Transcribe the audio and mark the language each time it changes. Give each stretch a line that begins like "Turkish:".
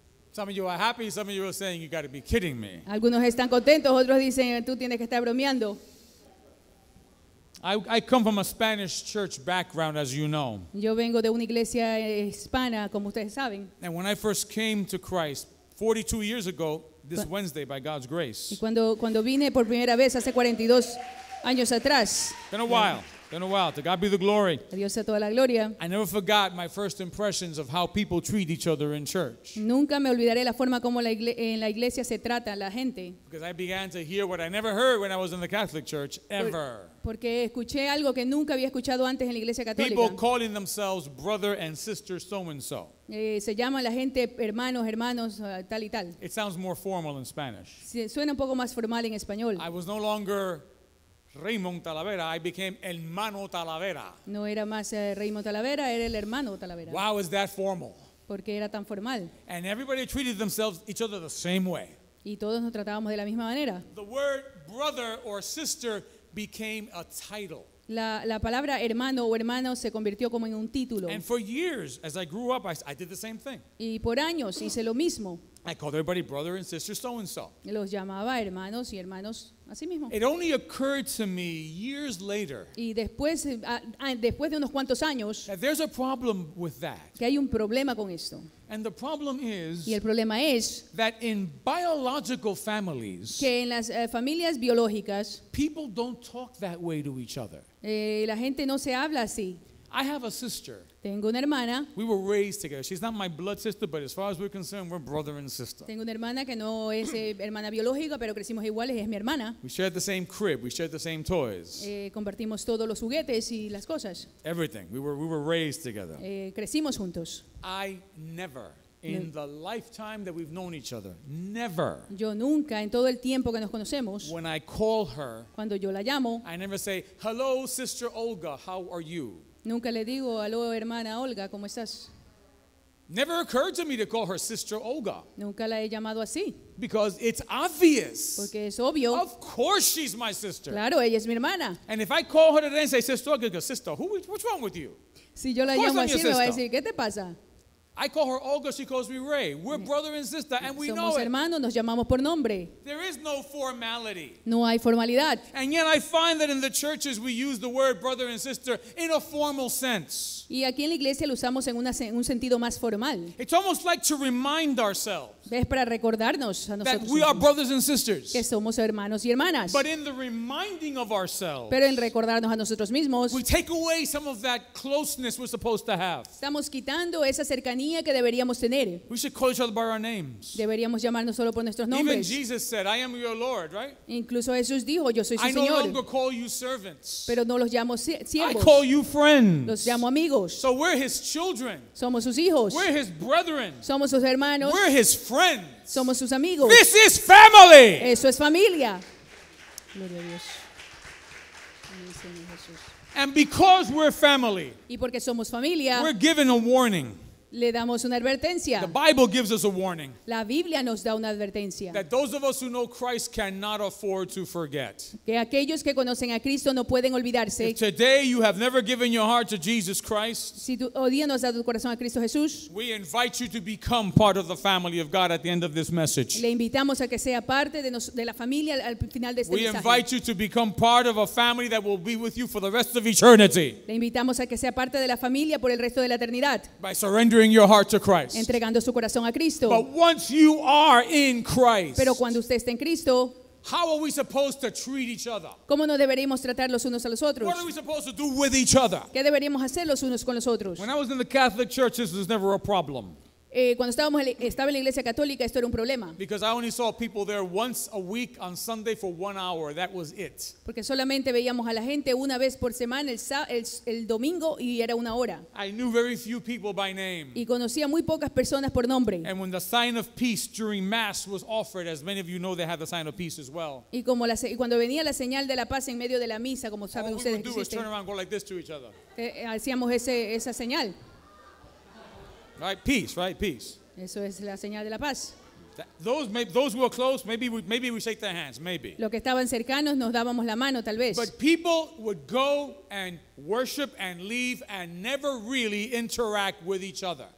English: Some of you are happy, some of you are saying, you got to be kidding me.
Spanish: Algunos están contentos, otros dicen, tú tienes que estar bromeando.
English: I come from a Spanish church background, as you know.
Spanish: Yo vengo de una iglesia hispana, como ustedes saben.
English: And when I first came to Christ 42 years ago, this Wednesday, by God's grace.
Spanish: Cuando vine por primera vez hace 42 años atrás.
English: Been a while. To God be the glory.
Spanish: Dios sea toda la gloria.
English: I never forgot my first impressions of how people treat each other in church.
Spanish: Nunca me olvidaré la forma como en la iglesia se trata la gente.
English: Because I began to hear what I never heard when I was in the Catholic Church ever.
Spanish: Porque escuché algo que nunca había escuchado antes en la iglesia católica.
English: People calling themselves brother and sister so and so.
Spanish: Se llama la gente hermanos, tal y tal.
English: It sounds more formal in Spanish.
Spanish: Suena un poco más formal en español.
English: I was no longer Raymond Talavera, I became hermano Talavera.
Spanish: No era más Raymond Talavera, era el hermano Talavera.
English: Wow, is that formal?
Spanish: Porque era tan formal.
English: And everybody treated themselves each other the same way.
Spanish: Y todos nos tratábamos de la misma manera.
English: The word brother or sister became a title.
Spanish: La palabra hermano o hermano se convirtió como en un título.
English: And for years, as I grew up, I did the same thing.
Spanish: Y por años hice lo mismo.
English: I called everybody brother and sister so and so.
Spanish: Los llamaba hermanos y hermanos así mismo.
English: It only occurred to me years later.
Spanish: Y después de unos cuantos años.
English: That there's a problem with that.
Spanish: Que hay un problema con esto.
English: And the problem is.
Spanish: Y el problema es.
English: That in biological families.
Spanish: Que en las familias biológicas.
English: People don't talk that way to each other.
Spanish: La gente no se habla así.
English: I have a sister.
Spanish: Tengo una hermana.
English: We were raised together. She's not my blood sister, but as far as we're concerned, we're brother and sister.
Spanish: Tengo una hermana que no es hermana biológica, pero crecimos iguales, es mi hermana.
English: We shared the same crib, we shared the same toys.
Spanish: Compartimos todos los juguetes y las cosas.
English: Everything. We were raised together.
Spanish: Crecimos juntos.
English: I never in the lifetime that we've known each other, never.
Spanish: Yo nunca en todo el tiempo que nos conocemos.
English: When I call her,
Spanish: cuando yo la llamo,
English: I never say, "Hello, Sister Olga, how are you?"
Spanish: Nunca le digo, aló, hermana Olga, ¿cómo estás?
English: Never occurred to me to call her Sister Olga.
Spanish: Nunca la he llamado así.
English: Because it's obvious.
Spanish: Porque es obvio.
English: Of course she's my sister.
Spanish: Claro, ella es mi hermana.
English: And if I call her today and say, Sister Olga, go, Sister, what's wrong with you?
Spanish: Si yo la llamo así, me va a decir, ¿qué te pasa?
English: I call her Olga, she calls me Ray. We're brother and sister, and we
Spanish: somos
English: know it.
Spanish: Somos hermanos, nos llamamos por nombre.
English: There is no formality.
Spanish: No hay formalidad.
English: And yet I find that in the churches we use the word brother and sister in a formal sense.
Spanish: Y aquí en la iglesia lo usamos en un sentido más formal.
English: It's almost like to remind ourselves.
Spanish: Es para recordarnos a nosotros.
English: That we are brothers and sisters.
Spanish: Que somos hermanos y hermanas.
English: But in the reminding of ourselves.
Spanish: Pero en recordarnos a nosotros mismos.
English: We take away some of that closeness we're supposed to have.
Spanish: Estamos quitando esa cercanía que deberíamos tener.
English: We should call each other by our names.
Spanish: Deberíamos llamarnos solo por nuestros nombres.
English: Even Jesus said, "I am your Lord," right?
Spanish: Incluso Jesús dijo, "Yo soy su
English: I
Spanish: Señor."
English: I no longer call you servants.
Spanish: Pero no los llamo siervos.
English: I call you friends.
Spanish: Los llamo amigos.
English: So we're his children.
Spanish: Somos sus hijos.
English: We're his brethren.
Spanish: Somos sus hermanos.
English: We're his friends.
Spanish: Somos sus amigos.
English: This is family.
Spanish: Eso es familia. Gloria a Dios.
English: And because we're family.
Spanish: Y porque somos familia.
English: We're given a warning.
Spanish: Le damos una advertencia.
English: The Bible gives us a warning.
Spanish: La Biblia nos da una advertencia.
English: That those of us who know Christ cannot afford to forget.
Spanish: Que aquellos que conocen a Cristo no pueden olvidarse.
English: If today you have never given your heart to Jesus Christ.
Spanish: Si hoy día no has dado tu corazón a Cristo Jesús.
English: We invite you to become part of the family of God at the end of this message.
Spanish: Le invitamos a que sea parte de la familia al final de este
English: we
Spanish: mensaje.
English: We invite you to become part of a family that will be with you for the rest of eternity.
Spanish: Le invitamos a que sea parte de la familia por el resto de la eternidad.
English: By surrendering your heart to Christ.
Spanish: Entregando su corazón a Cristo.
English: But once you are in Christ,
Spanish: pero cuando usted está en Cristo,
English: how are we supposed to treat each other?
Spanish: ¿Cómo nos deberíamos tratar los unos a los otros?
English: What are we supposed to do with each other?
Spanish: ¿Qué deberíamos hacer los unos con los otros?
English: When I was in the Catholic Church, this was never a problem.
Spanish: Cuando estaba en la iglesia católica, esto era un problema.
English: Because I only saw people there once a week on Sunday for 1 hour. That was it.
Spanish: Porque solamente veíamos a la gente una vez por semana el domingo y era una hora.
English: I knew very few people by name.
Spanish: Y conocía muy pocas personas por nombre.
English: And when the sign of peace during Mass was offered, as many of you know, they had the sign of peace as well.
Spanish: Y como la y cuando venía la señal de la paz en medio de la misa, como saben
English: all
Spanish: ustedes.
English: All we would do is turn around, go like this to each other.
Spanish: Hacíamos esa señal.
English: Right, peace, right, peace.
Spanish: Eso es la señal de la paz.
English: Those who are close, maybe we shake their hands, maybe.
Spanish: Los que estaban cercanos nos dábamos la mano, tal vez.
English: But people would go and worship and leave and never really interact with each other.